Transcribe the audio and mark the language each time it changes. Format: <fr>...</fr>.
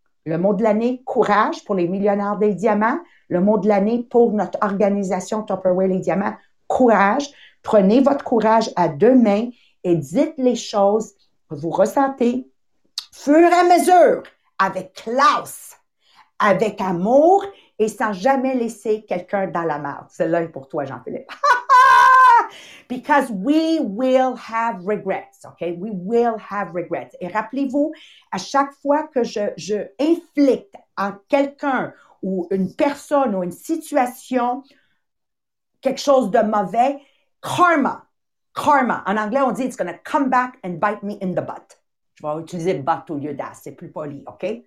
<fr>Le mot de l'année, courage pour les millionnaires des diamants. Le mot de l'année pour notre organisation Tupperware les diamants, courage. Prenez votre courage à deux mains et dites les choses que vous ressentez fur et à mesure, avec classe, avec amour et sans jamais laisser quelqu'un dans la merde. Celle-là est pour toi, Jean-Philippe.</fr> <en>Because we will have regrets, okay? We will have regrets.</en> <fr>Et rappelez-vous, à chaque fois que je inflige à quelqu'un ou une personne ou une situation quelque chose de mauvais, karma. En anglais, on dit</fr> <en>it's gonna come back and bite me in the butt.</en> <fr>Je vais utiliser butt au lieu d'ass, c'est plus poli, ok?</fr>